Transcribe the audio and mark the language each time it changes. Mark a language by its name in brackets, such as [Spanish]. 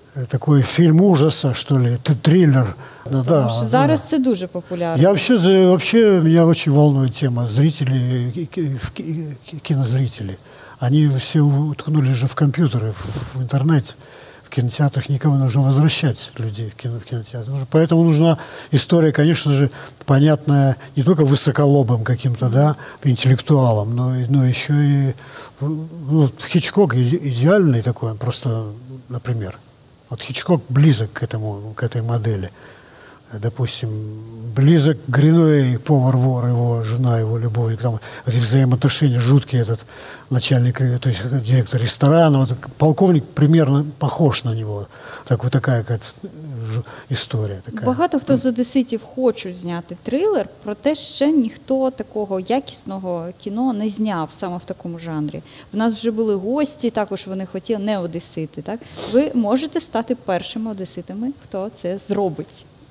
[Russian] Такой фильм ужаса, что ли, триллер. Ну, да, что [Ukrainian] зараз да. Це дуже популярно. [Russian] Я вообще меня очень волнует тема зрители, кинозрители. Они все уткнули же в компьютеры, в интернете. В кинотеатрах никому нужно возвращать людей в кинотеатр. Поэтому нужна история, конечно же, понятная не только высоколобым каким-то, да, интеллектуалом, но еще и ну, Хичкок идеальный такой, просто, например. Вот Хичкок близок к этой модели. Допустим, близок Гринуэй, повар-вор, его жена, его любовник. Там эти взаимоотношения жуткие, этот начальник, то есть директор ресторана. Вот полковник примерно похож на него. Так, вот такая какая-то история. Такая. [Ukrainian] Багато хто з одеситів хочуть зняти трилер, проте ще ніхто такого якісного кіно не зняв саме в такому жанрі. В нас вже були гості, також вони хотіли не одесити. Так? Ви можете стати першими одеситами, хто це зробить.